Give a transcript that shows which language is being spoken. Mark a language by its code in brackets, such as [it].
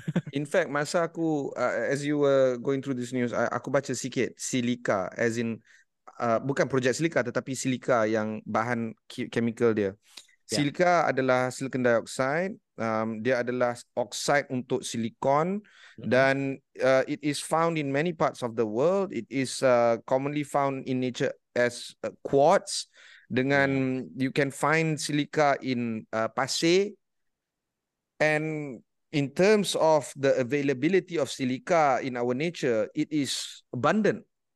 [en] In fact, [ms] masa aku [en] as you were going through this news, [ms] aku baca sikit silika, [en] as in [ms] bukan projek silika tetapi silika yang bahan chemical dia. Silika adalah silicon dioxide. Dia adalah oxide untuk silikon. Dan [en] it is found in many parts of the world. It is commonly found in nature as quartz. [ms] Dengan [en] you can find silica in [ms] pasir, [en] and in terms of the availability of silica in our nature, it is abundant.